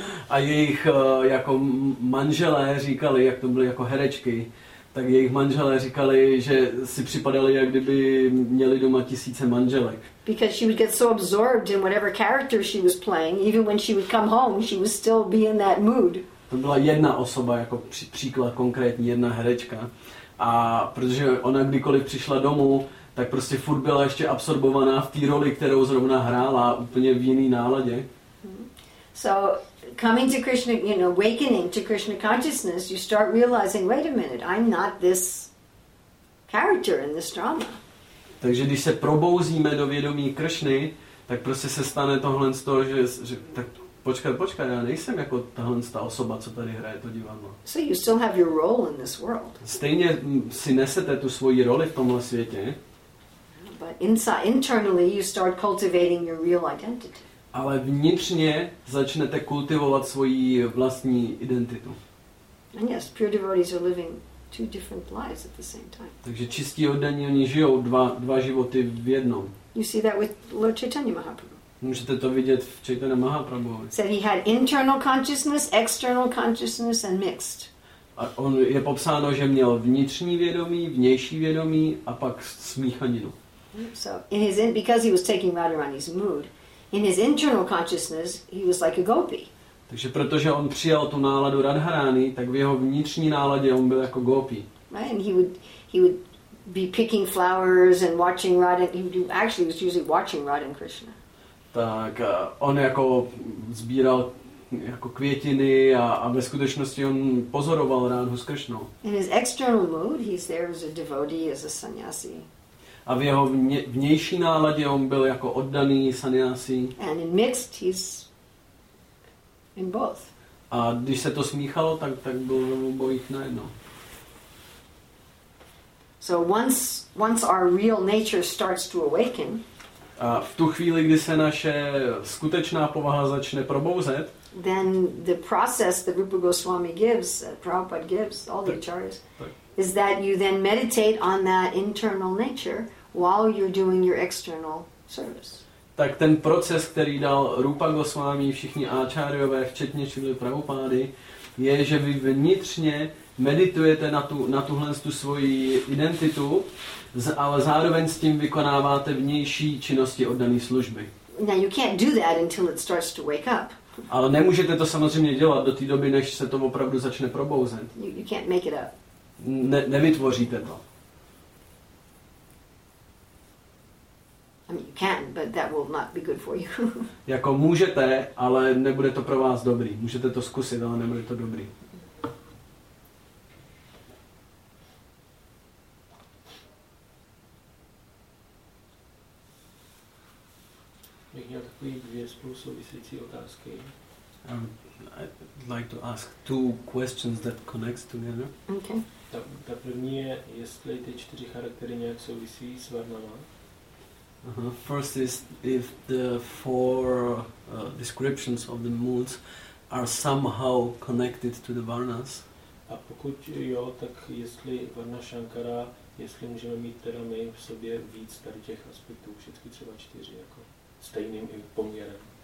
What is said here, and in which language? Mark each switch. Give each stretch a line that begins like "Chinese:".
Czech: A jejich jako manželé říkali, jak to byly jako herečky, tak jejich manželé říkali, že si připadali, jak kdyby měli doma tisíce manželek.
English: Because she would get so absorbed in whatever character she was playing, even when she would come home, she would still be in that mood.
Czech: To byla jedna osoba, jako příklad konkrétní jedna herečka. A protože ona kdykoliv přišla domů, tak prostě furt byla ještě absorbovaná v té roli, kterou zrovna hrála, úplně v jiný náladě.
English: So coming to Krishna, you know, awakening to Krishna consciousness, you start realizing, wait a minute, I'm not this character in this drama.
Czech: Takže když se probouzíme do vědomí Krishny, tak prostě se stane tohle z toho, že tak počkat, já nejsem jako tahle ta osoba, co tady hraje to divadlo.
English: So you still have your role in this world.
Czech: Stejně si nesete tu svoji roli v tomhle světě.
English: But inside, internally you start cultivating your real identity.
Czech: Ale vnitřně začnete kultivovat svoji vlastní identitu.
English: And yes, pure devotees are living two different lives at the same time.
Czech: Takže čistí oddaní, oni žijou dva životy v jednom.
English: You see that with Lord Chaitanya Mahaprabhu.
Czech: Můžete to vidět v Chaitanya Mahaprabhu.
English: Said he had internal consciousness, external consciousness and mixed.
Czech: A on je popsáno, že měl vnitřní vědomí, vnější vědomí a pak smíchaninu.
English: So in his because he was taking Radharani's mood. In his internal consciousness, he was like a gopi.
Czech: Takže protože on přijal tu náladu Radharani, tak v jeho vnitřní náladě on byl jako gopi.
English: Right? And he would be picking flowers and watching Radha. He was usually watching Radha and Krishna.
Czech: Tak on jako sbíral jako květiny a ve skutečnosti on pozoroval Radhu s Krishnou.
English: In his external mood, he's there as a devotee, as a sannyasi.
Czech: A v jeho vnější náladě on byl jako oddaný sannyasi.
English: And in mixed, he's in both.
Czech: A když se to smíchalo, tak byl v obojích najednou.
English: So once our real nature starts to awaken.
Czech: A v tu chvíli, kdy se naše skutečná povaha začne probouzet,
English: then the process that Rupa Goswami gives, Prabhupada gives, all the acharyas, is that you then meditate on that internal nature while you're doing your external service.
Czech: Tak ten proces, který dal Rupa Goswami, všichni áčárjové, včetně Šrily Prabhupády, je, že vy vnitřně meditujete na tuhle svoji identitu, ale zároveň s tím vykonáváte vnější činnosti oddané služby.
English: Now you can't do that until it starts to wake up.
Czech: Ale nemůžete to samozřejmě dělat do té doby, než se to opravdu začne probouzet.
English: You can't make it up.
Czech: Nevytvoříte to.
English: I mean, you can, but that will not be good for you.
Czech: Jako můžete, ale nebude to pro vás dobrý. Můžete to zkusit, ale nebude to dobrý. Bych měl takový dvě spolu souvisící otázky.
English: I'd like to ask two questions that connect together. Okay.
Czech: Ta první je, jestli ty čtyři charaktery nějak souvisí s Varnama.
English: First is if the four descriptions of the moods are somehow connected to the varnas.
Czech: A pokud jo, tak jestli Varna Shankara, jestli můžeme mít teda my v sobě víc tady těch aspektů, všechny třeba čtyři jako stejným poměrem.